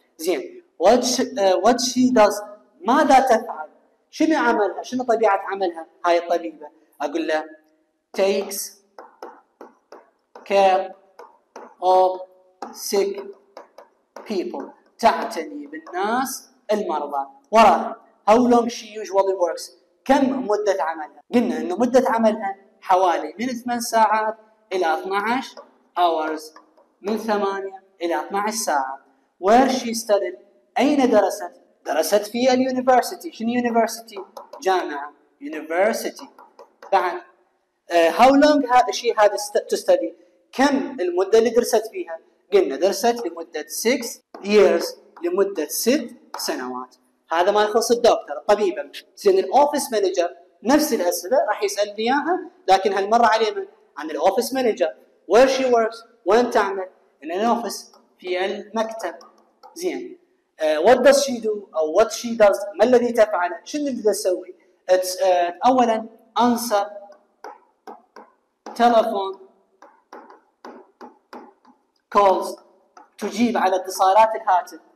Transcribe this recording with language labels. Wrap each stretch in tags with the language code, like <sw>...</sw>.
<ar>زين</ar> <en>what she does،</en> <ar>ماذا تفعل، شنو عملها، شنو طبيعة عملها هاي الطبيبة. أقول له</ar> <en>takes care of sick people،</en> <ar>تعتني بالناس المرضى. وراها</ar> <en>how long she usually works،</en> <ar>كم مدة عملها. قلنا إنه مدة عملها حوالي من 8 ساعات إلى 12 hours، من 8 إلى 12 ساعة.</ar> <en>where she studied،</en> <ar>أين درست، درست في اليونيفرسيتي. شنو يونيفرسيتي؟ جامعة. يونيفرسيتي. بعد</ar> <en>how long she had to study،</en> <ar>كم المدة اللي درست فيها. قلنا درست لمدة 6 years، لمدة 6 سنوات. هذا ما يخص الدكتور الطبيبة. زين الأوفيس مانجر نفس الأسئلة راح يسألني إياها، لكن هالمرة علي من عن الأوفيس مانجر.</ar> <en>where she works،</en> <ar>وين تعمل.</ar> <en>in an office،</en> <ar>في المكتب. زين</ar> <en>what does she do</en> <ar>أو</ar> <en>what she does،</en> <ar>ما الذي تفعله، شنو اللي تسوي. it's أولا</ar> <en>answer telephone calls،</en> <ar>تجيب على اتصالات الهاتف.</ar>